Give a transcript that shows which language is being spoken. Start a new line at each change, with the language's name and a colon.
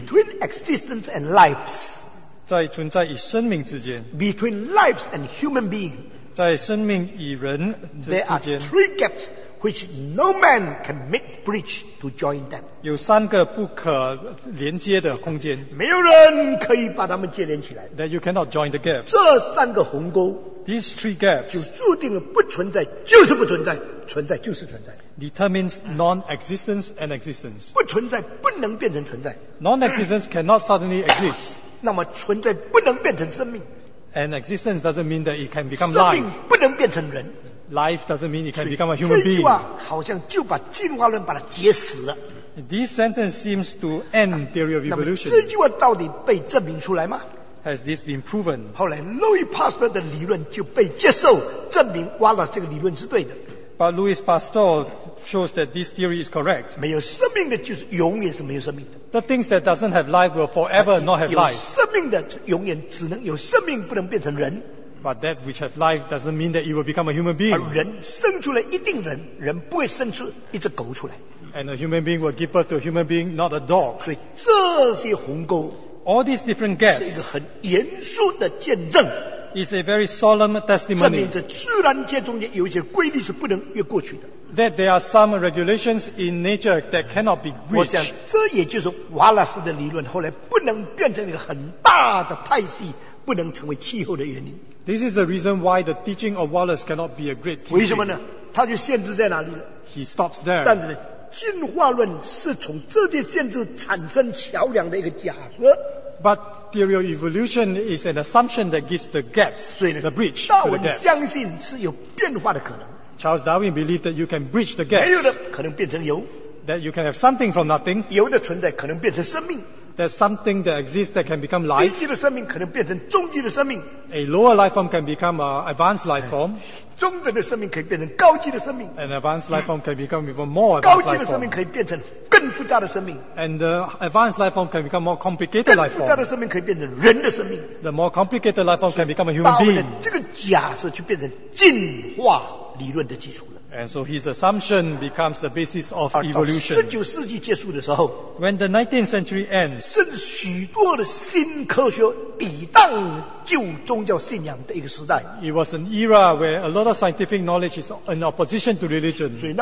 English: Between existence and lives.
Chinese: 在存在与生命之间,
English: between lives and human beings,
Chinese: 在生命与人之间,
English: there are 3 gaps which no man can make bridge to join them.
Chinese: 有3个不可连接的空间, 没有人可以把它们接连起来,
English: that you cannot join the gap.
Chinese: 这3个鸿沟,
English: these 3 gaps,
Chinese: 就注定了不存在就是不存在, 存在就是存在,
English: determines non-existence and existence.
Chinese: 不存在不能变成存在,
English: non-existence cannot suddenly exist.
Chinese: 那么存在不能变成生命,
English: and existence doesn't mean that it can become
Chinese: life. 生命不能变成人,
English: life doesn't mean it can become a human being.
Chinese: 这句话好像就把进化论把它结死了。
English: This sentence seems to end theory of evolution.
Chinese: 那么这句话到底被证明出来吗?
English: Has this been proven?
Chinese: 后来 Louis Pasteur的理论就被接受, 证明Wallace这个理论是对的。
English: But Louis Pasteur shows that this theory is correct.
Chinese: 没有生命的就是永远是没有生命的。
English: The things that doesn't have life will forever not have life.
Chinese: 有生命的永远只能有生命，不能变成人。
English: But that which have life doesn't mean that it will become a human being.
Chinese: 人生出来一定人，人不会生出一只狗出来。
English: And a human being will give birth to a human being, not a dog.
Chinese: 所以这些鸿沟,
English: all these different gaps
Chinese: 是一个很严肃的见证,
English: is a very solemn testimony that there are some regulations in nature that cannot be breached.
Chinese: 我想这也就是瓦拉斯的理论,
English: this is the reason why the teaching of Wallace cannot be a great teaching. He stops there.
Chinese: 但是, 进化论是从这些限制产生桥梁的一个假设。
English: But theory of evolution is an assumption that gives the gaps,
Chinese: 所以呢,
English: the breach to the gaps.
Chinese: 达尔文相信是有变化的可能。
English: Charles Darwin believed that you can breach the gaps.
Chinese: 没有的可能变成油。
English: That you can have something from nothing.
Chinese: 油的存在可能变成生命。
English: That something that exists that can become life.
Chinese: 低级的生命可能变成终极的生命。
English: A lower life form can become an advanced life form.
Chinese: 中等的生命可以变成高级的生命。
English: An advanced life form can become even more advanced life form.
Chinese: 高级的生命可以变成更复杂的生命。
English: And the advanced life form can become more complicated life form.
Chinese: 更复杂的生命可以变成人的生命。
English: The more complicated life form can become a human being.
Chinese: 这个假设就变成进化理论的基础了。
English: And so his assumption becomes the basis of evolution.
Chinese: 19世纪结束的时候,
English: when the 19th century ends,
Chinese: 甚至许多的新科学抵挡旧宗教信仰的一个时代,
English: it was an era where a lot of scientific knowledge is in opposition to religion.